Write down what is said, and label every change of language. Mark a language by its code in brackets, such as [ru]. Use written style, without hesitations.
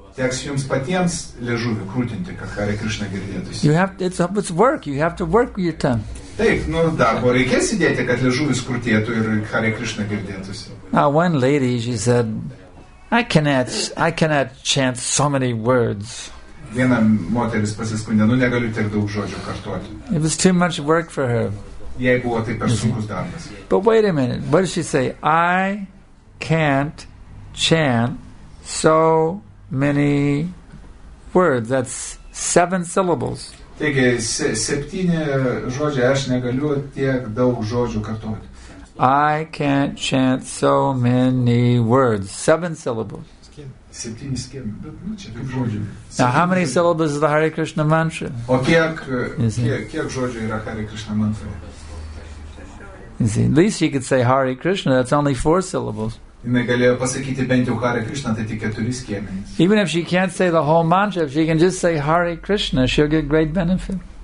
[lt] Teks jums patiems liežuvį krūtinti, kad Hare Krishna girdėtųsi. [en] You have to, it's work, you have to work your tongue. [lt] Taip, nu, darbo reikės įdėti, kad liežuvis krūtėtų ir Hare Krishna girdėtųsi. [en] Now, one lady, she said, I cannot chant so many words. [lt] Viena moteris pasiskundė, nu, negaliu tiek daug žodžių kartuoti. [en] It was too much work for her. [lt] Jei buvo tai per sunkus darbas. [en] But wait a minute, what did she say? I can't chant so many words. That's seven syllables. [lt] Taigi, septyni žodžiai, aš negaliu tiek daug žodžių kartuoti. [en] I can't chant so many words. Seven syllables. [lt] Septyni skiemi. [en] Now, how many syllables is the Hare Krishna mantra? [lt] O kiek žodžių yra Hare Krishna mantra? [en] You see, at least you could say Hare Krishna, that's only four syllables. Even if she can't say the whole mantra, if she can just say Hare Krishna, she'll get great benefit.